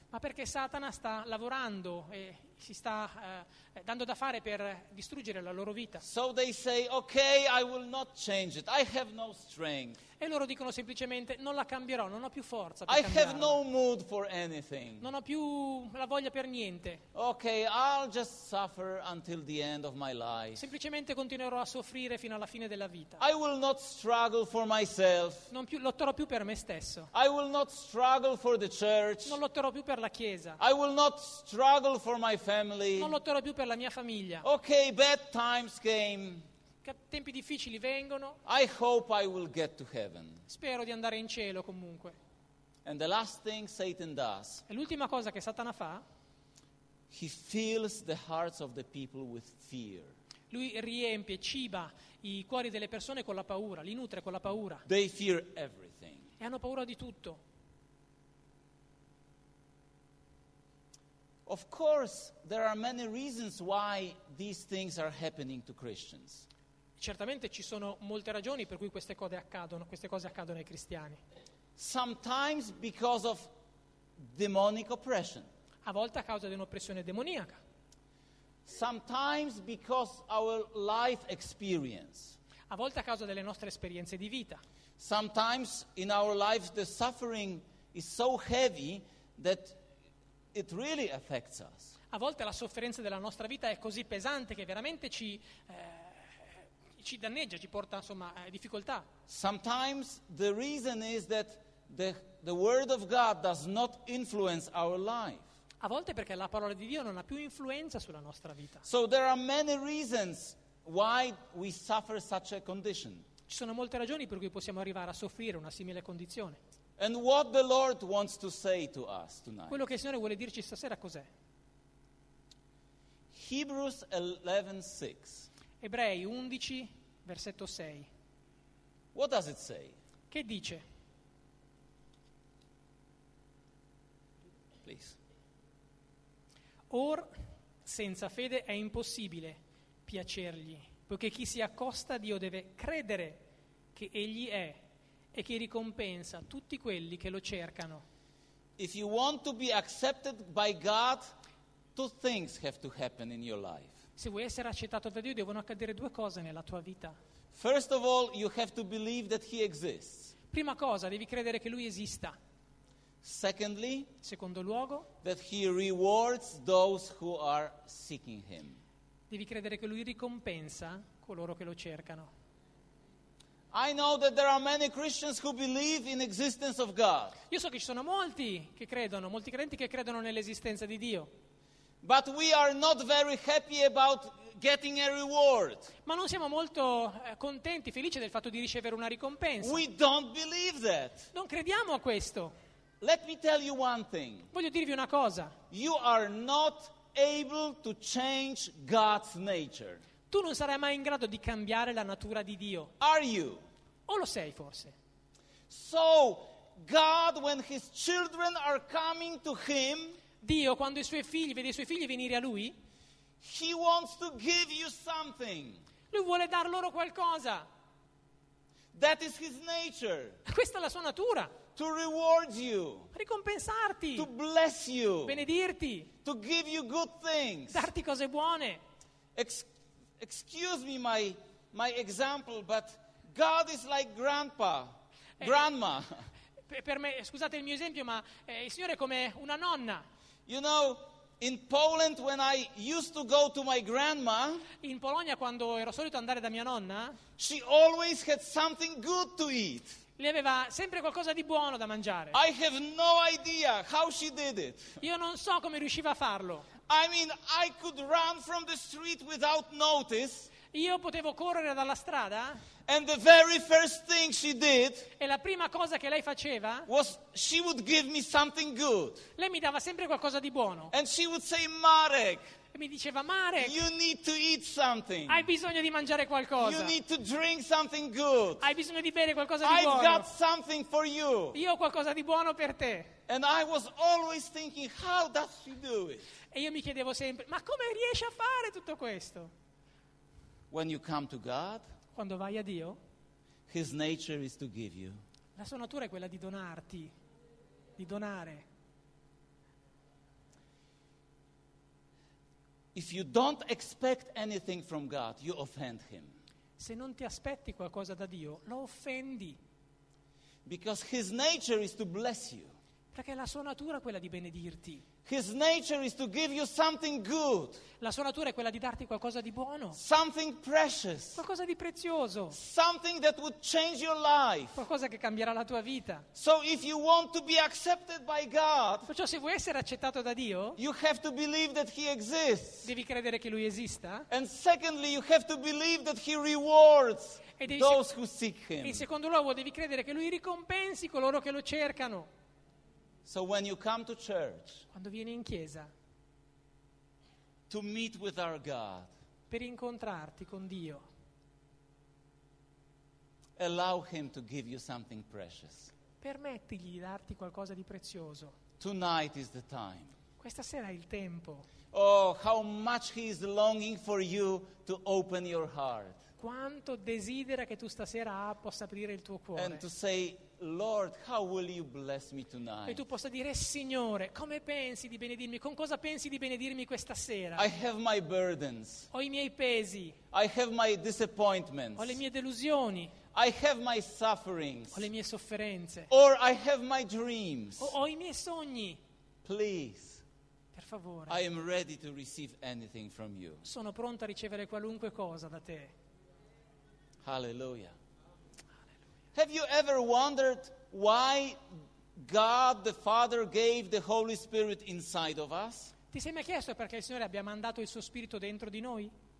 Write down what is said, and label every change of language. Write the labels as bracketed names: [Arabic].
[Italian] Ma perché Satana sta lavorando e si sta dando da fare per distruggere la loro vita. [English] So they say, okay, I will not change it. I have no strength. [Italian] E loro dicono semplicemente, non la cambierò, non ho più forza per cambiarla. [English] I have no mood for anything. [Italian] Non ho più la voglia per niente. [English] Okay, I'll just suffer until the end of my life. [Italian] Semplicemente continuerò a soffrire fino alla fine della vita. [English] I will not struggle for myself. [Italian] Non più, lotterò più per me stesso. [English] I will not struggle for the church. [Italian] Non lotterò più per la chiesa. [English] I will not struggle for my family. [Italian] Non lotterò più per la mia famiglia. [English] Okay, bad times came. [Italian] Tempi difficili vengono. [English] I hope I will get to heaven. [Italian] Spero di andare in cielo comunque. [English] And the last thing Satan does. [Italian] E l'ultima cosa che Satana fa. [English] He fills the hearts of the people with fear. [Italian] Lui riempie, ciba i cuori delle persone con la paura, li nutre con la paura. [English] They fear everything. [Italian] E hanno paura di tutto. [English] Of course, there are many reasons why these things are happening to Christians. [Italian] Certamente ci sono molte ragioni per cui queste cose accadono ai cristiani. [English] Sometimes because of demonic oppression. [Italian] A volte a causa di un'oppressione demoniaca. [English] Sometimes because our life experience. [Italian] A volte a causa delle nostre esperienze di vita. [English] Sometimes in our life the suffering is so heavy that it really affects us. [Italian] A volte la sofferenza della nostra vita è così pesante che veramente ci danneggia, ci porta insomma difficoltà. [English] Sometimes the reason is that the word of God does not influence our life. [Italian] A volte perché la parola di Dio non ha più influenza sulla nostra vita. [English] So there are many reasons why we suffer such a condition. [Italian] Ci sono molte ragioni per cui possiamo arrivare a soffrire una simile condizione. [English] And what the Lord wants to say to us tonight. [Italian] Quello che il Signore vuole dirci stasera cos'è? [English] Hebrews 11:6. [Italian] Ebrei 11, versetto 6. [English] What does it say? [Italian] Che dice? [English] please. [Italian] Or, senza fede è impossibile piacergli, poiché chi si accosta a Dio deve credere che egli è e che ricompensa tutti quelli che lo cercano. [English] If you want to be accepted by God, two things have to happen in your life. [Italian] Se vuoi essere accettato da Dio, devono accadere due cose nella tua vita. [English] First of all, you have to believe that he exists. [Italian] Prima cosa, devi credere che lui esista. [English] Secondly, [Italian] secondo luogo, [English] that he rewards those who are seeking him. [Italian] Devi credere che lui ricompensa coloro che lo cercano. [English] I know that there are many Christians who believe in existence of God. [Italian] Io so che ci sono molti che credono, molti credenti che credono nell'esistenza di Dio. [English] But we are not very happy about getting a reward. [Italian] Ma non siamo molto contenti, felici del fatto di ricevere una ricompensa. [English] We don't believe that. [Italian] Non crediamo a questo. [English] Let me tell you one thing. [Italian] Voglio dirvi una cosa. [English] You are not able to change God's nature. [Italian] Tu non sarai mai in grado di cambiare la natura di Dio. [English] Are you? [Italian] O lo sei forse? [English] So God, when his children are coming to him, [Italian] Dio, quando i suoi figli, vede i suoi figli venire a lui, [English] he wants to give you something. [Italian] Lui vuole dar loro qualcosa. [English] That is his nature. [Italian] Questa è la sua natura. [English] To reward you. [Italian] Ricompensarti. [English] To bless you. [Italian] Benedirti. [English] To give you good things. [Italian] Darti cose buone. [English] Excuse me my example, but God is like grandpa, grandma. [Italian] Per me, scusate il mio esempio, ma il Signore è come una nonna. [English] You know, in Poland when I used to go to my grandma, [Italian] in Polonia quando ero solito andare da mia nonna, [English] she always had something good to eat. [Italian] Le aveva sempre qualcosa di buono da mangiare. [English] I have no idea how she did it. [Italian] Io non so come riusciva a farlo. [English] I mean, I could run from the street without notice. [Italian] Io potevo correre dalla strada. [English] And the very first thing she did, [Italian] e la prima cosa che lei faceva, [English] was she would give me something good. [Italian] Lei mi dava sempre qualcosa di buono. [English] And she would say, Marek, [Italian] e mi diceva, Marek, [English] you need to eat something. [Italian] Hai bisogno di mangiare qualcosa. [English] You need to drink something good. [Italian] Hai bisogno di bere qualcosa [English] I've [Italian] di buono. [English] I've got something for you. [Italian] Io ho qualcosa di buono per te. [English] And I was always thinking, how does she do it? [Italian] E io mi chiedevo sempre, ma come riesce a fare tutto questo? [English] When you come to God, [Italian] quando vai a Dio, [English] his nature is to give you. [Italian] La sua natura è quella di donarti, di donare. [English] If you don't expect anything from God, you offend him. [Italian] Se non ti aspetti qualcosa da Dio, lo offendi. [English] Because his nature is to bless you. [Italian] Perché la sua natura è quella di benedirti. [English] His nature is to give you something good. [Italian] La sua natura è quella di darti qualcosa di buono. [English] Something precious. [Italian] Qualcosa di prezioso. [English] Something that would change your life. [Italian] Qualcosa che cambierà la tua vita. [English] So if you want to be accepted by God, [Italian] perciò se vuoi essere accettato da Dio, [English] you have to believe that he exists. [Italian] Devi credere che lui esista. [English] And secondly, you have to believe that he rewards those who seek him. [Italian] In secondo luogo, devi credere che lui ricompensi coloro che lo cercano. [English] So when you come to church, [Italian] quando vieni in chiesa, [English] to meet with our God, [Italian] per incontrarti con Dio, [English] allow him to give you something precious. [Italian] Permettigli di darti qualcosa di prezioso. [English] Tonight is the time. [Italian] Questa sera è il tempo. [English] Oh, how much he is longing for you to open your heart. [Italian] Quanto desidera che tu stasera possa aprire il tuo cuore. [English] And to say, Lord, how will you bless me tonight? [Italian] E tu possa dire, Signore, come pensi di benedirmi? Con cosa pensi di benedirmi questa sera? [English] I have my burdens. [Italian] Ho i miei pesi. [English] I have my disappointments. [Italian] Ho le mie delusioni. [English] I have my sufferings. [Italian] Ho le mie sofferenze. [English] Or I have my dreams. [Italian] Ho i miei sogni. [English] Please. [Italian] Per favore. [English] I am ready to receive anything from you. [Italian] Sono pronto a ricevere qualunque cosa da te. [English] Hallelujah. Have you ever wondered why God the Father gave the Holy Spirit inside of us? [Italian] Ti sei mai chiesto perché il Signore abbia mandato il suo spirito dentro di noi?